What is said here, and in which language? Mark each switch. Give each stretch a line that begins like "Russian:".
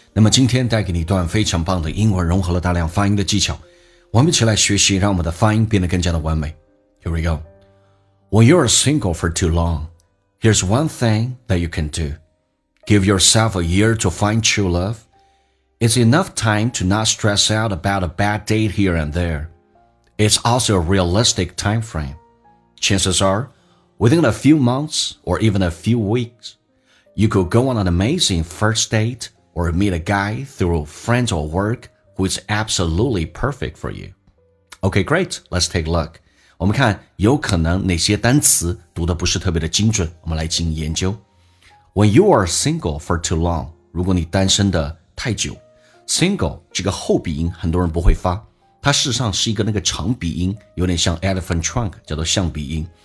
Chinese: 那么今天带给你一段非常棒的英文，融合了大量发音的技巧，我们一起来学习，让我们的发音变得更加的完美。
English: Here we go. When you're single for too long, here's one thing that you can do. Give yourself a year to find true love. It's enough time to not stress out about a bad date here and there. It's also a realistic time frame. Chances are,Within a few months or even a few weeks, you could go on an amazing first date or meet a guy through friends or work who is absolutely perfect for you. Okay, great. Let's take a look.
Chinese: 我们看有可能哪些单词读得不是特别的精准，我们来进行研究。
English: When you are single for too long,
Chinese: 如果你单身的太久 ,single 这个后鼻音很多人不会发，它事实上是一个那个长鼻音，有点像
English: elephant trunk,
Chinese: 叫做象鼻音。